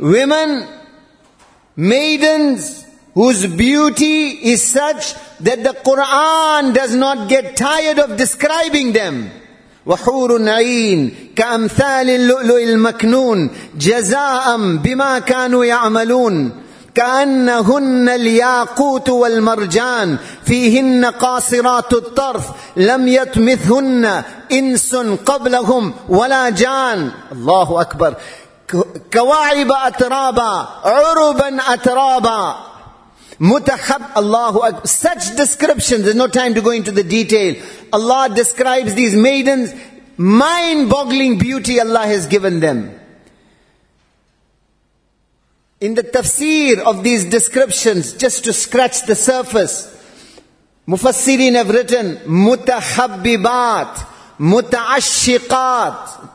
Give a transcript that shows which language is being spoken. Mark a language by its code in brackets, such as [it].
[en] Women, maidens whose beauty is such that the Quran does not get tired of describing them. [ar] وحور عين كأمثال اللؤلؤ المكنون جزاء بما كانوا يعملون كأنهن الياقوت والمرجان فيهن قاصرات الطرف لم يطمثهن إنس قبلهم ولا جان. الله أكبر. كواعب أترابا عربا أترابا متحب. الله أكبر. [en] Such descriptions, there's no time to go into the detail. Allah describes these maidens, mind-boggling beauty Allah has given them. In the tafsir of these descriptions, just to scratch the surface, mufassirin have written, mutahabbibat, mutaashiqat.